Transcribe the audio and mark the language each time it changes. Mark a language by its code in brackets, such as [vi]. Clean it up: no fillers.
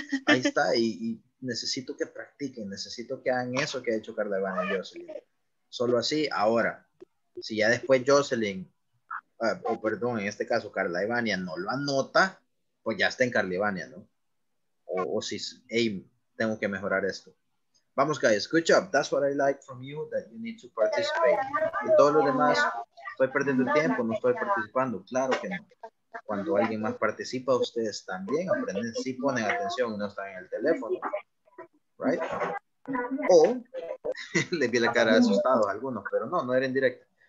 [es] Ahí está, y necesito que practiquen, necesito que hagan eso que ha hecho Carla Ivania y Jocelyn. Solo así, ahora. Si ya después Jocelyn, perdón, en este caso Carla Ivania no lo anota, pues ya está en Carla Ivania, ¿no? O si, hey, tengo que mejorar esto. Vamos, [en] guys, good job. That's what I like from you, that you need to participate. [es] Y todo lo demás, estoy perdiendo el tiempo, no estoy participando. Claro que no. Cuando alguien más participa, ustedes también aprenden, sí ponen atención, no están en el teléfono. Right? O le vi la cara asustado a algunos, pero no, no era en directo.